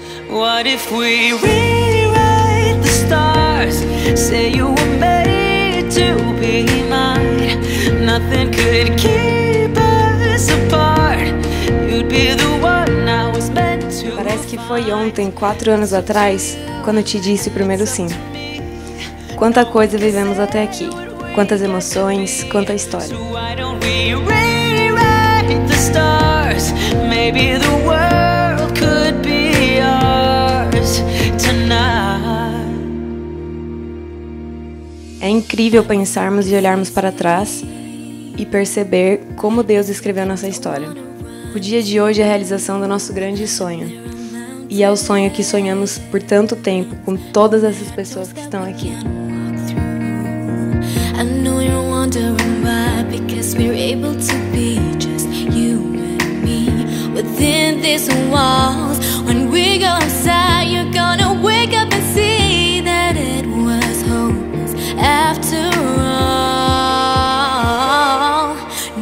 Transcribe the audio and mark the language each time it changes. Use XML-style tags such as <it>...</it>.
<en>What if we rewrite the stars? Say you were made to be mine. Nothing could keep us apart. You'd be the one I was meant to.</en> <pt>Parece que foi ontem, 4 anos atrás, quando eu te disse o primeiro sim. Quanta coisa vivemos até aqui. Quantas emoções, quanta história.</pt> <en>So why don't we rewrite the stars? Maybe the world could be ours tonight.</en> <pt>É incrível pensarmos e olharmos para trás e perceber como Deus escreveu nossa história. O dia de hoje é a realização do nosso grande sonho. E é o sonho que sonhamos por tanto tempo com todas essas pessoas que estão aqui.</pt> <en>I know you're wondering why, because we're able to be just you and me within these walls. When we go outside, you're gonna wake up and see that it was hopeless after all.</en>